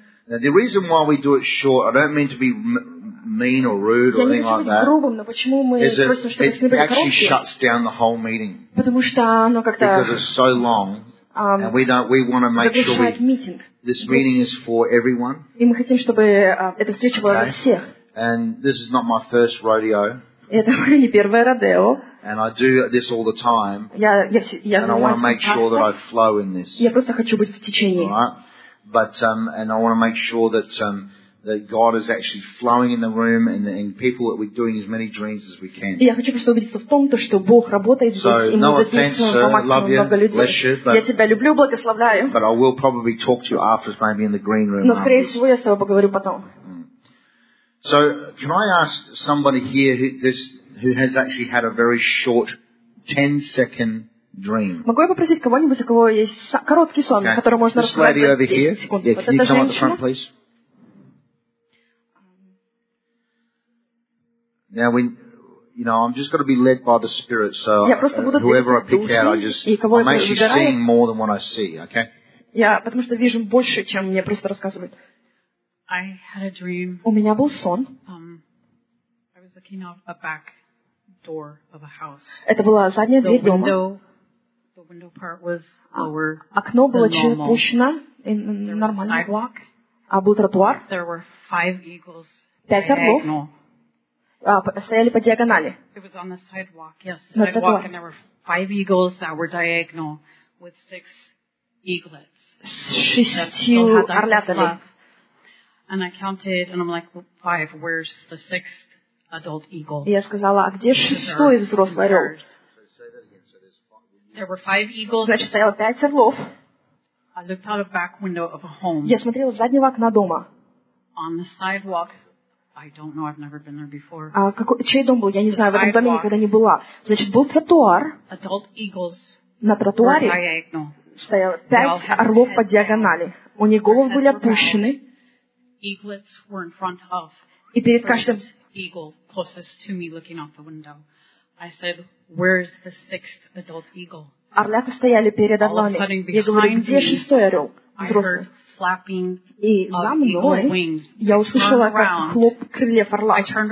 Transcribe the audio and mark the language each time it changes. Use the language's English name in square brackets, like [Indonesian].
[English] Now the reason why we do it short, I don't mean to be mean or rude or anything like that. [Russian] Грубым, но почему мы [English] is [Russian] просим, [English] it actually shuts down the whole meeting? [Russian] Потому что оно как-то. [English] Because it's so long. And we want to make sure this meeting is for everyone. [Russian] И мы хотим, чтобы эта встреча была для всех. [English] And this is not my first rodeo. [Russian] Это мое не первое родео. [English] And I do this all the time. [Russian] Я [English] and I want to make sure that I flow in this. [Russian] Я просто хочу быть в течении. [English] Right? But and I want to make sure that that God is actually flowing in the room and people that we're doing as many dreams as we can. [Russian] Я хочу просто убедиться в том, что Бог работает здесь, и мы здесь много людей. [English] So, no offense, love you, bless you, [Russian] я тебя люблю, благословляю. [English] But I will probably talk to you after, maybe in the green room. [Russian] Но скорее всего я с тобой поговорю потом. [English] So, can I ask somebody here who has actually had a very short 10-second dream? [Russian] Могу я попросить кого-нибудь, у кого есть короткий сон, который можно рассказать? [English] This lady over here, yeah, can you come up the front, please? Now, when you know, I'm just going to be led by the Spirit. So, whoever I pick out, I'm actually seeing more than what I see. Okay? [Russian] Yeah, потому что вижу больше, чем мне просто рассказывают. [English] I had a dream. [Russian] У меня был сон. [English] I was looking out a back door of a house. [Russian] Это была задняя дверь дома. [English] The window part was lower. [Russian] Окно было чуть опущено, нормально было. А был тротуар. [English] There were five eagles. [Russian] Пять орлов. Стояли по диагонали. [English] It was on the sidewalk, yes, sidewalk, and there were five eagles that were diagonal with six eaglets. [Russian] Шестью орлятами. [English] And I counted, and I'm like, five. Where's the sixth adult eagle? [Russian] Я сказала, а где шестой взрослый орел? [English] There were five eagles. [Russian] Значит, стояло пять орлов. [English] I looked out the back window of a home. [Russian] Я смотрела из заднего окна дома. [English] On the sidewalk. I don't know. I've never been there before. [Russian] А какой чей дом был? Я не знаю. В этом доме никогда не была. Значит, был тротуар. [English] Adult eagles. [Russian] На тротуаре стояло пять орлов по диагонали. У них головы были опущены. [English] Eaglets were in front of. [Russian] И перед каждым [English] eagle closest to me looking out the window. I said, "Where's the sixth adult eagle?" [Russian] Орлята стояли перед орлами. Я говорю, где шестой орел? Взрослый. И за мной я услышала, как хлоп крыльев орла.